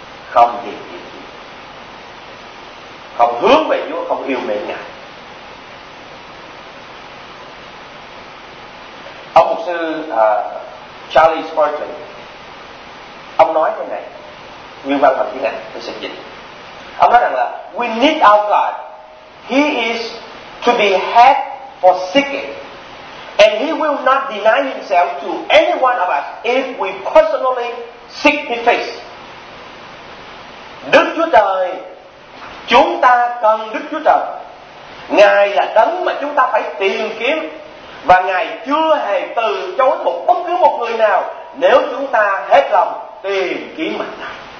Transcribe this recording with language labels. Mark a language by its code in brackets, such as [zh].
[vi] Không tìm kiếm, không hướng về Chúa, không yêu mến Ngài. Ông mục sư Charlie Spurgeon, ông nói thế này, nguyên văn bằng tiếng Anh, tôi sẽ dịch. Ông nói rằng là [en] we need our God, He is to be had for seeking, and He will not deny Himself to any one of us if we personally seek His face. [vi] Đức Chúa Trời, chúng ta cần Đức Chúa Trời. Ngài là đấng mà chúng ta phải tìm kiếm, và Ngài chưa hề từ chối một bất cứ một người nào nếu chúng ta hết lòng tìm kiếm mặt Ngài.